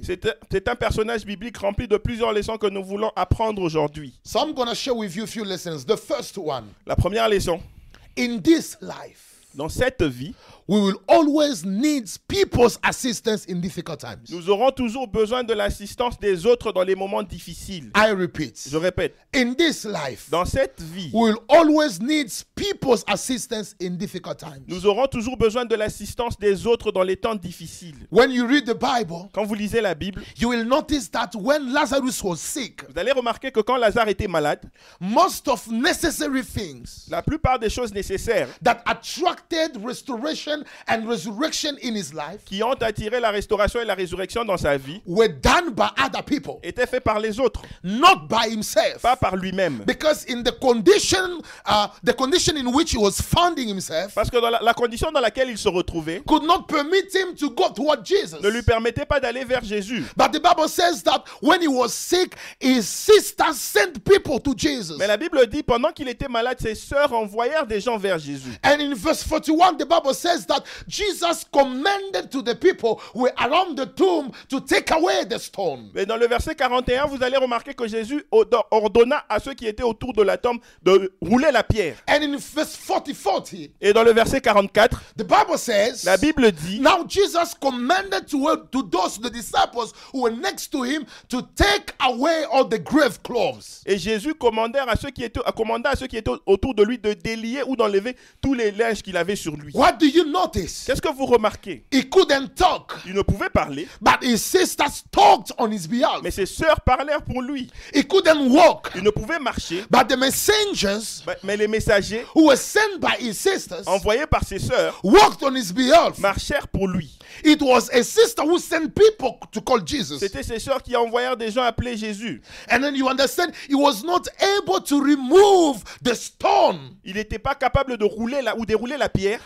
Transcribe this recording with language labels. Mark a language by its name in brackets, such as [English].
[French] C'est un personnage biblique rempli de plusieurs leçons que nous voulons apprendre aujourd'hui. [English] So I'm gonna share with you a few lessons. The first one. [French] La première leçon. [English] In this life. [French] Dans cette vie, [English] we will always need people's assistance in difficult times. [French] Nous aurons toujours besoin de l'assistance des autres dans les moments difficiles. [English] I repeat. [French] Je répète. [English] In this life, [French] dans cette vie, [English] we will always need people's assistance in difficult times. [French] Nous aurons toujours besoin de l'assistance des autres dans les temps difficiles. [English] When you read the Bible, [French] quand vous lisez la Bible, [English] you will notice that when Lazarus was sick, [French] vous allez remarquer que quand Lazare était malade, [English] most of necessary things, [French] la plupart des choses nécessaires, [English] that attracted restoration and resurrection in his life, [French] qui ont attiré la restauration et la résurrection dans sa vie, [English] were done by other people, [French] étaient faits par les autres, [English] not by himself, [French] pas par lui-même, [English] because in the condition in which he was finding himself, [French] parce que dans la condition dans laquelle il se retrouvait, [English] could not permit him to go toward Jesus, [French] ne lui permettait pas d'aller vers Jésus. [English] But the Bible says that when he was sick, his sisters sent people to Jesus. [French] Mais la Bible dit pendant qu'il était malade, ses sœurs envoyèrent des gens vers Jésus. [English] And in verse 41, the Bible says that Jesus commanded to the people who were around the tomb to take away the stone. [French] Mais dans le verset 41, vous allez remarquer que Jésus ordonna à ceux qui étaient autour de la tombe de rouler la pierre. [English] And in verse 40, [French] et dans le verset 44, [English] the Bible says, [French] la Bible dit, [English] now Jesus commanded to those the disciples who were next to him to take away all the grave clothes. [French] Et Jésus commanda à ceux qui étaient autour de lui de délier ou d'enlever tous les linges qu'il avait sur lui. [English] What do you notice? [French] Qu'est-ce que vous remarquez? [English] He couldn't talk. [French] Il ne pouvait parler. [English] But his sisters talked on his behalf. [French] Mais ses sœurs parlèrent pour lui. [English] He couldn't walk. [French] Il ne pouvait marcher. [English] But the messengers, [French] mais les messagers, [English] who were sent by his sisters, [French] envoyés par ses sœurs, [English] walked on his behalf. [French] Marchèrent pour lui. [English] It was a sister who sent people to call Jesus. [French] C'était ses sœurs qui envoyèrent des gens appeler Jésus. [English] And then you understand, he was not able to remove the stone. [French] Il n'était pas capable de rouler ou dérouler la pierre.